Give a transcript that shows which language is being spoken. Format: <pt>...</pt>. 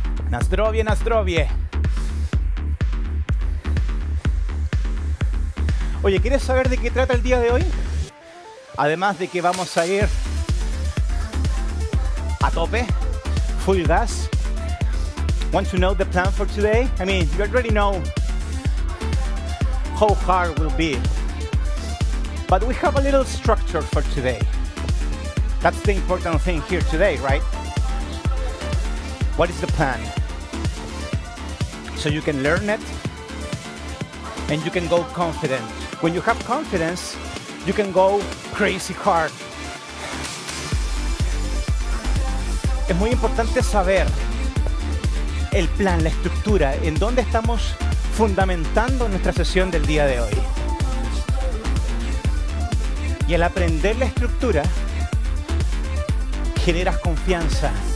<pl>Nazdrovie, Nazdrovie.</pl> <es>Oye, ¿quieres saber de qué trata el día de hoy? Además de que vamos a ir a tope, full gas.</es> <en>Want to know the plan for today? I mean, you already know how hard it will be. But we have a little structure for today. That's the important thing here today, right? What is the plan? So you can learn it and you can go confident. When you have confidence, you can go crazy hard.</en> <es>Es muy importante saber el plan, la estructura, en dónde estamos fundamentando nuestra sesión del día de hoy. Y al aprender la estructura, generas confianza.</es>